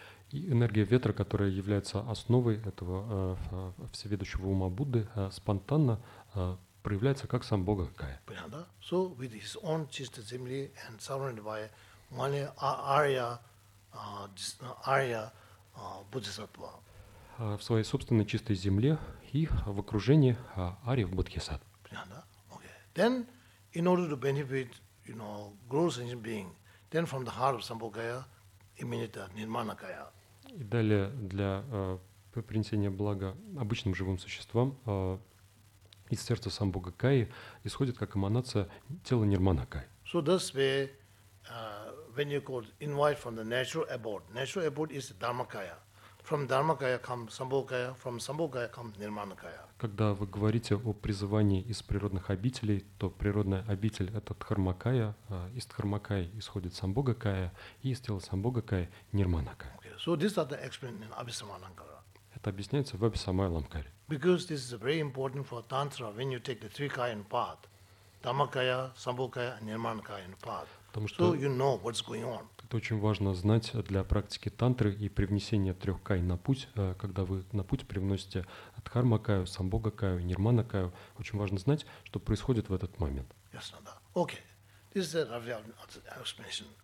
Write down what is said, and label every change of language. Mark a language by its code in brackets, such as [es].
[ru] И энергия ветра, которая является основой этого всеведущего ума Будды, спонтанно проявляется как самбхогакая. Понятно? [en] So with his own chaste [ru] земли [en] and surrounded by many arya buddhisattva. [ru] В своей собственной чистой земле и в окружении ариев Бодхисат. Понятно? Okay. [en] Then, in order to benefit, you know, gross sentient being, then from the heart of Sambhogaya, emanate Nirmanakaya. [ru] И далее для принесения блага обычным живым существам из сердца Самбхогакаи исходит как эманация тела Нирманакаи. [en] So that's where, when you call invite from the natural abode is Dharmakaya. From Dharmakaya comes Sambhogaya, from Sambhogaya comes Nirmanakaya. [ru] Когда вы говорите о призывании из природных обителей, то природная обитель — это Дхармакая, из Дхармакая исходит Самбхогакая, и из тела Самбхогакая — Нирманакая. [en] Okay. So this is the explanation in Abhisamayalankara. [ru] Это объясняется в Абхисамайалангаре. [en] Because this is very important for Tantra when you take the three kaya in path, Dharmakaya, Sambhogaya, Nirmanakaya in path. [ru] Потому что [en] so you know what's going on. [ru] Это очень важно знать для практики тантры и при внесении трех кай на путь, когда вы на путь привносите дхармакаю, самбхогакаю, нирманакаю. Очень важно знать, что происходит в этот момент. Ясно, да. Окей. [en] This is the explanation.